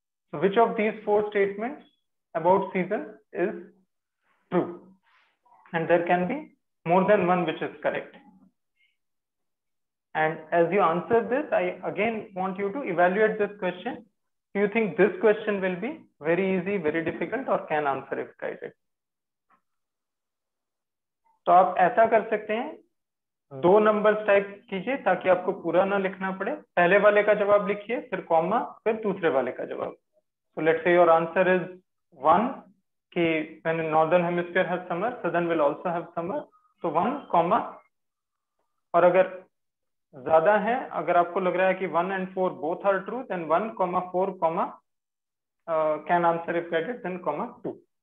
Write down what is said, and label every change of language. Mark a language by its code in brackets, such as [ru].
[en] So which of these four statements about season is true? And there can be more than one which is correct. And as you answer this, I again want you to evaluate this question. Do you think this question will be very easy, very difficult, or can answer if guided? [hi] तो आप ऐसा कर सकते हैं, दो numbers type कीजिए ताकि आपको पूरा ना लिखना पड़े. पहले वाले का जवाब लिखिए, फिर comma, फिर दूसरे वाले का जवाब. [en] So let's say your answer is one, ki when the northern hemisphere has summer, southern will also have summer. So one comma. [hi] Aur agar zyada hai, agar aapko lag raha hai ki [en] one and four both are true, then one comma four comma can answer if guided, then comma two.